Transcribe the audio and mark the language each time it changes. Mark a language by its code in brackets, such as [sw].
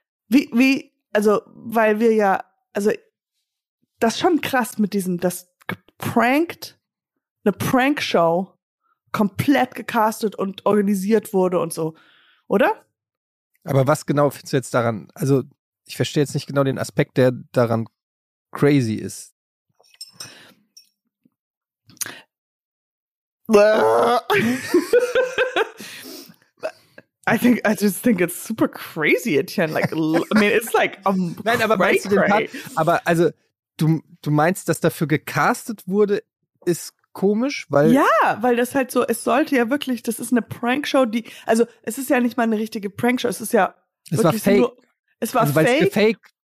[de] Weil wir ja, also, das ist schon krass mit diesem, das geprankt, eine Prankshow komplett gecastet und organisiert wurde und so. Oder? Aber was genau findest du jetzt daran? Also, ich verstehe jetzt nicht genau den Aspekt, der daran crazy ist. [en] I just think it's super crazy, Etienne. Like, I mean, it's like, [de] nein, aber [en] cray-cray. [de] Meinst du den Part? Aber also, du meinst, dass dafür gecastet wurde, ist komisch, weil... Ja, weil das halt so, es sollte ja wirklich, das ist eine Prankshow, die, also es ist ja nicht mal eine richtige Prankshow, es ist ja... Es war fake. Es war fake.